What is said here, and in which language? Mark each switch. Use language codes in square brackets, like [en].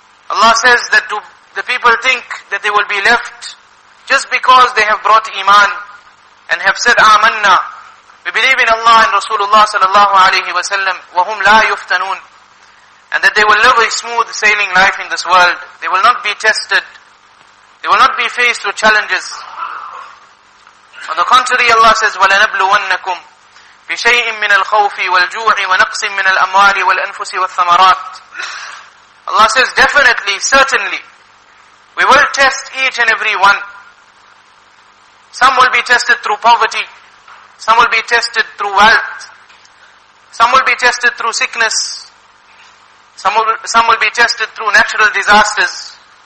[en] Allah says that the people think that they will be left just because they have brought Iman and have said Amanna. We believe in Allah and Rasulullah sallallahu alayhi wa sallam. [ar] Wahum la yuftanun. [en] And that they will live a smooth sailing life in this world. They will not be tested. They will not be faced with challenges. On the contrary, Allah says, [ar] وَلَنَبْلُوَنَّكُمْ بِشَيْءٍ مِّنَ الْخَوْفِ وَالْجُوعِ وَنَقْصٍ مِّنَ الْأَمْوَالِ وَالْأَنْفُسِ وَالثَّمَرَاتِ. [en] Allah says, definitely, certainly, we will test each and every one. Some will be tested through poverty. Some will be tested through wealth. Some will be tested through sickness. Some will be tested through natural disasters.